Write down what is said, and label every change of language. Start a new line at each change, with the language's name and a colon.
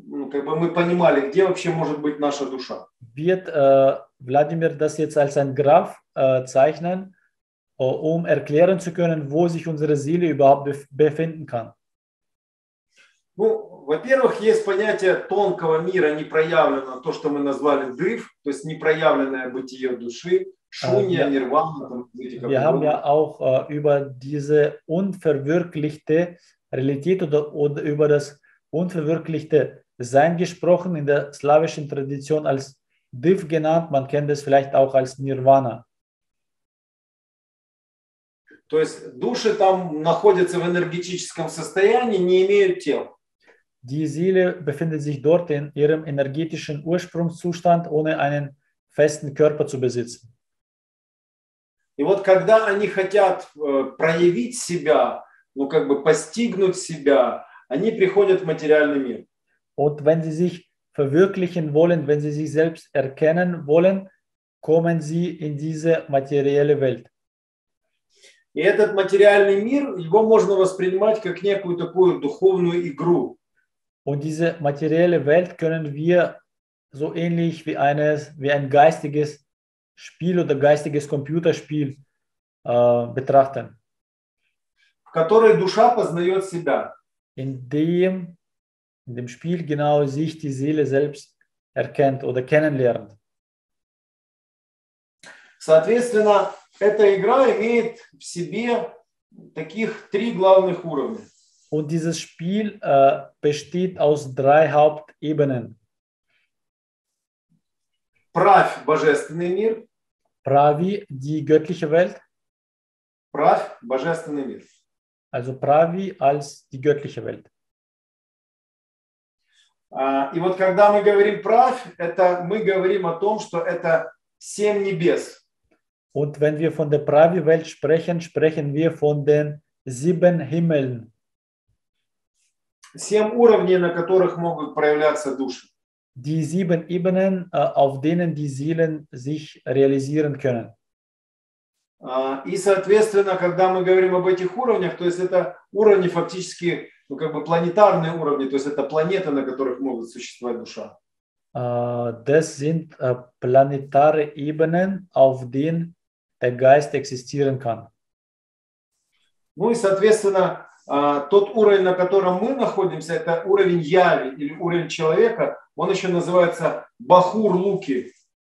Russian: как бы мы понимали, где вообще может быть наша душа.
German: Wird Wladimir das jetzt als ein Graph zeichnen, um erklären zu können, wo sich unsere Seele überhaupt befinden kann?
Russian: Ну, во-первых, есть понятие тонкого мира, непроявленного, то, что мы назвали дыв, то есть непроявленное бытие души, шунья, нирвана.
German: Wir haben ja auch über diese unverwirklichte Realität oder über das unverwirklichte Sein gesprochen in der slawischen Tradition als Div genannt, man kennt es vielleicht auch als Nirvana.
Russian: То есть души там находятся в энергетическом состоянии, не имеют тел.
German: Die Seele befindet sich dort in ihrem energetischen Ursprungszustand, ohne einen festen Körper zu besitzen.
Russian: И вот когда они хотят проявить себя, ну как бы постигнуть себя, они приходят в материальный мир.
German: Und wenn sie sich verwirklichen wollen, wenn sie sich selbst erkennen wollen, kommen sie in diese materielle Welt.
Russian: И этот материальный мир, его можно воспринимать как некую такую духовную игру.
German: Und diese materielle Welt können wir so ähnlich wie eines, wie ein geistiges Spiel oder geistiges Computerspiel betrachten.
Russian: В которой душа познает себя.
German: In dem Spiel genau sich die Seele selbst erkennt oder kennenlernt.
Russian: Соответственно, эта игра имеет в себе таких три главных уровня.
German: Und dieses Spiel besteht aus drei Hauptebenen.
Russian: Прав, божественный мир.
German: Прави, die göttliche Welt.
Russian: Прав, божественный мир.
German: Also Прави als die göttliche Welt.
Russian: И вот когда мы говорим прав, это мы говорим о том, что это семь небес.
German: Und wenn wir von der Pravi Welt sprechen, sprechen wir von den sieben Himmeln.
Russian: Семь уровней, на которых могут проявляться души.
German: Die sieben Ebenen, auf denen die Seelen sich realisieren können.
Russian: И соответственно, когда мы говорим об этих уровнях, то есть это уровни фактически ну, как бы планетарные уровни, то есть это планеты, на которых могут существовать душа.
German: Das sind planetare Ebenen, auf denen der Geist existieren kann.
Russian: Ну и, соответственно, тот уровень, на котором мы находимся, это уровень Яви или уровень человека, он еще называется Бахур-Луки.